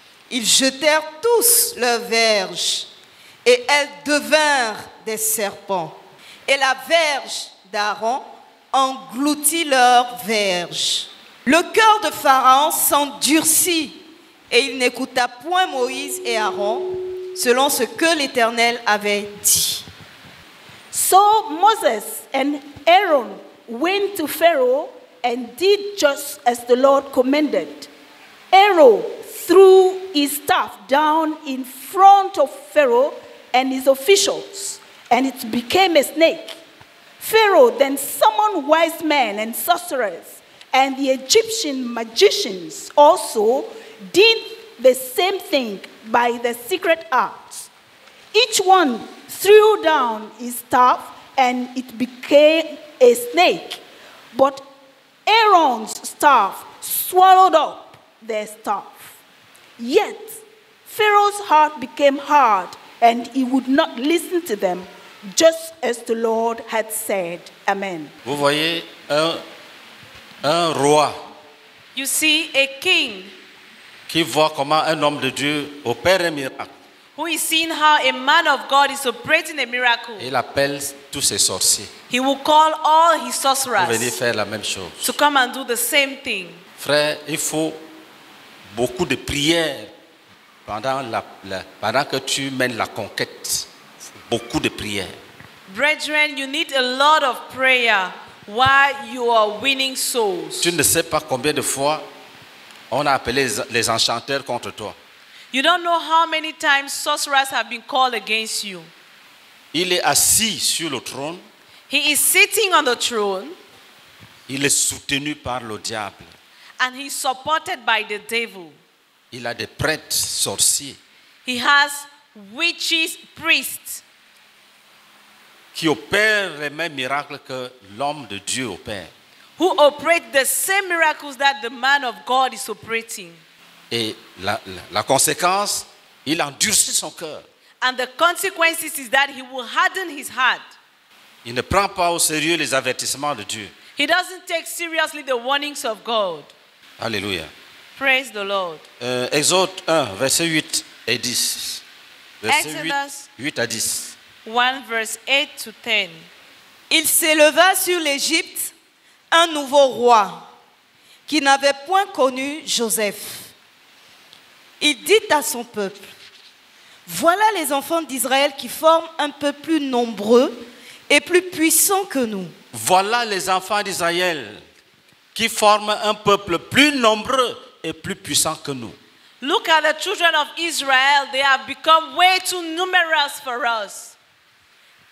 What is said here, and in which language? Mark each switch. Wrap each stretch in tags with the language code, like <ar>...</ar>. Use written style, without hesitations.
<fr>Ils jetèrent tous leurs verges et elles devinrent des serpents. Et la verge d'Aaron engloutit leurs verges. Le cœur de Pharaon s'endurcit. Et il n'écouta point Moïse et Aaron, selon ce que l'Éternel avait dit.</fr> <en>So Moses and Aaron went to Pharaoh and did just as the Lord commanded. Pharaoh threw his staff down in front of Pharaoh and his officials, and it became a snake. Pharaoh then summoned wise men and sorcerers, and the Egyptian magicians also did the same thing by the secret arts. Each one threw down his staff and it became a snake. But Aaron's staff swallowed up their staff. Yet Pharaoh's heart became hard and he would not listen to them, just as the Lord had said. Amen.</en> <fr>Vous voyez un roi.</fr> <en>You see a king</en> <fr>qui voit comment un homme de Dieu opère un miracle.</fr> <en>Who is seeing how a man of God is operating a miracle.</en> <fr>Il appelle tous ses sorciers.</fr> <en>He will call all his sorcerers.</en> <fr>Pour venir faire la même chose.</fr> <en>To come and do the same thing.</en> <fr>Frère, il faut beaucoup de prières pendant que tu mènes la conquête. Beaucoup de prières.</fr> <en>Brethren, you need a lot of prayer while you are winning souls.</en> <fr>Tu ne sais pas combien de fois on a appelé les enchanteurs contre toi.</fr> <en>You don't know how many times sorcerers have been called against you.</en> <fr>Il est assis sur le trône.</fr> <en>He is sitting on the throne.</en> <fr>Il est soutenu par le diable.</fr> <en>And he's supported by the devil.</en> <fr>Il a des prêtres sorciers.</fr> <en>He has witches, priests.</en> <fr>Qui opèrent les mêmes miracles que l'homme de Dieu opère.</fr> <en>Who operate the same miracles that the man of God is operating.</en> <fr>Et la conséquence, il endurcit son cœur.</fr> <en>And the consequences is that he will harden his heart.</en> <fr>Il ne prend pas au sérieux les avertissements de Dieu.</fr> <en>He doesn't take seriously the warnings of God.</en> <fr>Alléluia.</fr> <en>Praise the Lord.</en> <fr>Exode 1, verset 8 et 10. Verset</fr> <en>Exodus</en> <fr>8 à 10.</fr> <en>1, verse 8 to 10.</en> <fr>Il s'éleva sur l'Égypte un nouveau roi qui n'avait point connu Joseph. Il dit à son peuple, « Voilà les enfants d'Israël qui forment un peuple plus nombreux et plus puissant que nous. » Voilà les enfants d'Israël qui forment un peuple plus nombreux et plus puissant que nous.</fr> <en>« Look at the children of Israel, they have become way too numerous for us. »</en>